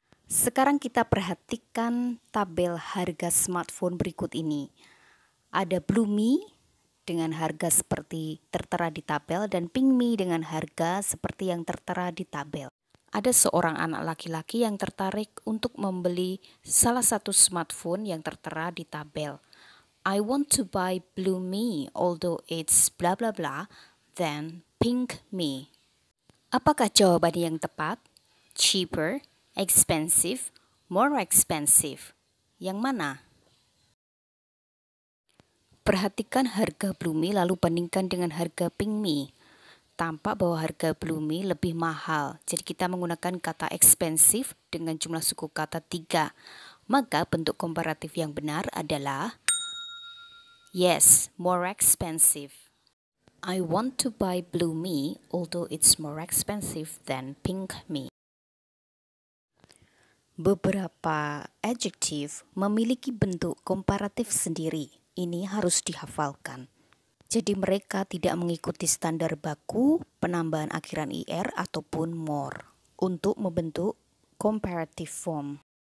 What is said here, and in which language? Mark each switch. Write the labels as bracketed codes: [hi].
[id] Sekarang kita perhatikan tabel harga smartphone berikut ini. Ada Bluemi dengan harga seperti tertera di tabel dan Pingmi dengan harga seperti yang tertera di tabel. Ada seorang anak laki-laki yang tertarik untuk membeli salah satu smartphone yang tertera di tabel. [en] I want to buy blue me, although it's blah blah blah, than pink me. [id] Apakah jawaban yang tepat? Cheaper, expensive, more expensive. Yang mana? Perhatikan harga blue me lalu bandingkan dengan harga pink me. Tampak bahwa harga blue me lebih mahal. Jadi kita menggunakan kata expensive dengan jumlah suku kata 3. Maka bentuk komparatif yang benar adalah yes, more expensive. [en] I want to buy blue me, although it's more expensive than pink me. [id] Beberapa adjective memiliki bentuk komparatif sendiri. Ini harus dihafalkan. Jadi mereka tidak mengikuti standar baku, penambahan akhiran ir, ataupun more untuk membentuk comparative form.